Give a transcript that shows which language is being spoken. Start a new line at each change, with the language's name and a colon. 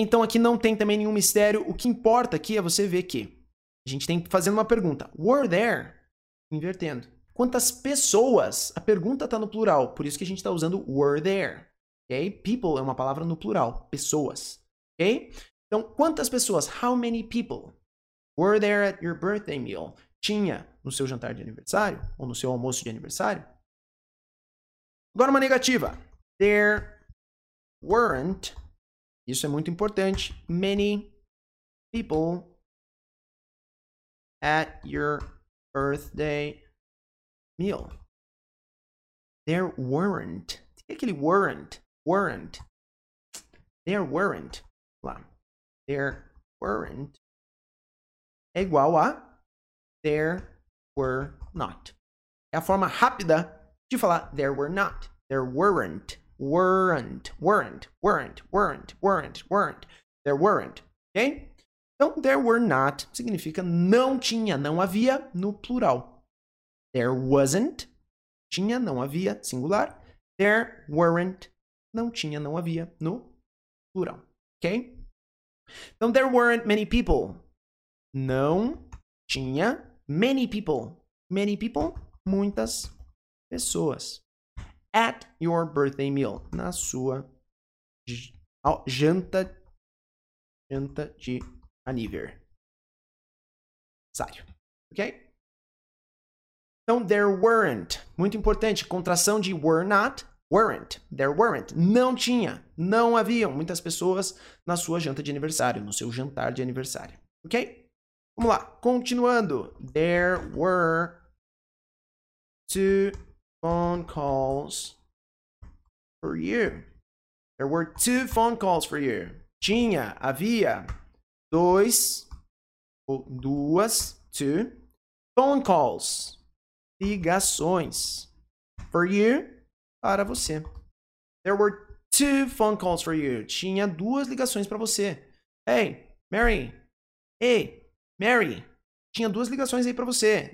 Portuguese: Então, aqui não tem também nenhum mistério. O que importa aqui é você ver que... A gente tem que fazer uma pergunta.
English: Were there?
Portuguese: Invertendo. Quantas pessoas? A pergunta está no plural. Por isso que a gente está usando
English: were there.
Portuguese: Okay? People é uma palavra no plural. Pessoas. Okay? Então, quantas pessoas?
English: How many people were there at your birthday meal?
Portuguese: Tinha no seu jantar de aniversário? Ou no seu almoço de aniversário? Agora uma negativa.
English: There weren't.
Portuguese: Isso é muito importante.
English: Many people at your birthday meal. There weren't.
Portuguese: Tem aquele
English: weren't. Weren't. There weren't. Lá. There weren't.
Portuguese: É igual a
English: there were not.
Portuguese: É a forma rápida de falar
English: there were not. There weren't. Weren't. Weren't. Weren't. Weren't. Weren't. Weren't. There weren't. Ok?
Portuguese: Então,
English: there were not
Portuguese: significa não tinha, não havia no plural.
English: There wasn't,
Portuguese: tinha, não havia, singular.
English: There weren't,
Portuguese: não tinha, não havia no plural. Ok?
English: Então, there weren't many people.
Portuguese: Não tinha
English: many people. Many people,
Portuguese: muitas pessoas.
English: At your birthday meal,
Portuguese: na sua janta de aniversário. Ok? Então,
English: there weren't.
Portuguese: Muito importante, contração de were not, weren't.
English: There weren't.
Portuguese: Não tinha, não haviam muitas pessoas na sua janta de aniversário, no seu jantar de aniversário. Ok? Vamos lá, continuando.
English: There were 2 phone calls for you. There were 2 phone calls for you.
Portuguese: Tinha, havia 2 ou 2,
English: 2 phone calls.
Portuguese: Ligações.
English: For you,
Portuguese: para você.
English: There were 2 phone calls for you.
Portuguese: Tinha 2 ligações para você.
English: Hey, Mary. Hey, Mary.
Portuguese: Tinha 2 ligações aí para você.